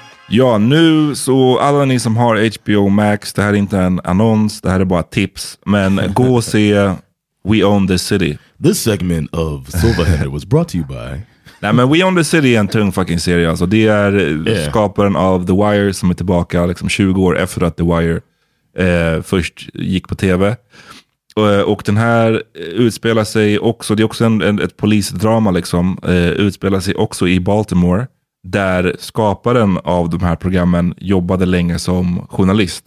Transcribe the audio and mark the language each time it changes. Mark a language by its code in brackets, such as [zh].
[sv] Ja, nu så alla ni som har HBO Max, det här är inte en annons, det här är bara tips. Men gå och se We Own This City. [en] This segment of Silverhead was brought to you by... [sv] Nej, men We Own the City är en tung fucking serie. Alltså, det är skaparen av The Wire som är tillbaka liksom 20 år efter att The Wire först gick på tv. Och den här utspelar sig också, det är också ett polisdrama liksom, utspelar sig också i Baltimore, där skaparen av de här programmen jobbade länge som journalist.